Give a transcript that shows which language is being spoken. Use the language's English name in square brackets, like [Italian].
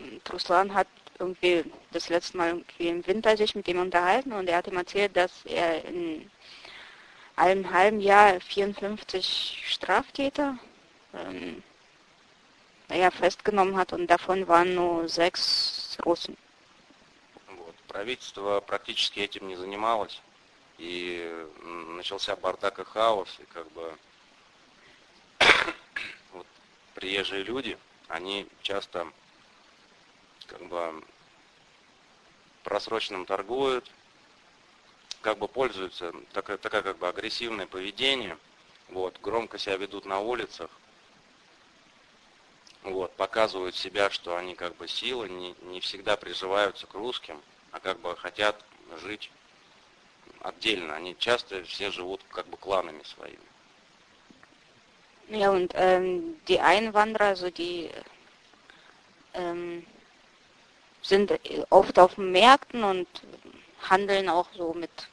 [German] Ruslan hat irgendwie das letzte Mal irgendwie im Winter sich mit ihm unterhalten, und er hat ihm erzählt, dass er in einem halben Jahr 54 Straftäter festgenommen hat, und davon waren nur 6 Russen. [Russian] правительство практически этим не занималось, и начался бардак и хаос, и как бы вот, приезжие люди, они часто как бы просроченным торгуют, как бы пользуются, такое как бы агрессивное поведение, вот, громко себя ведут на улицах. Вот, показывают себя, что они как бы силы, не всегда приживаются к русским, а как бы хотят жить отдельно. Они часто все живут как бы кланами своими. [German] Ja, und die Einwanderer, also die sind oft auf Märkten und handeln auch so mit